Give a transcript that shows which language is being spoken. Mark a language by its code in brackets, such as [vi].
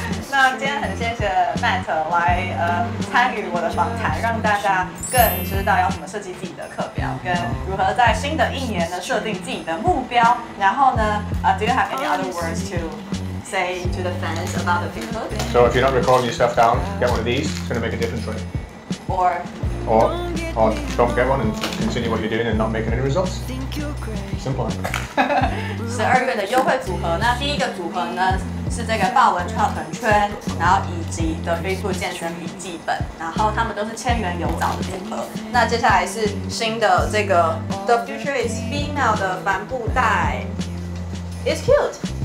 [zh] 那今天很谢谢 Matt 来参与我的访谈，让大家更知道要怎么设计自己的课表，跟如何在新的一年呢设定自己的目标。然后呢， [en] Do you have any other words to say to the fans about the people? So if you're not recording your stuff down, get one of these. It's going to make a difference, right? Or don't get one and continue what you're doing and not making any results. Simple. [zh] 12月的优惠组合，那第一个组合呢是这个豹纹串臀圈，然后以及 The Fitbook 健身笔记本，然后他们都是千元有找的组合。那接下来是新的这个 The Future is Female 的帆布袋， [en] It's cute。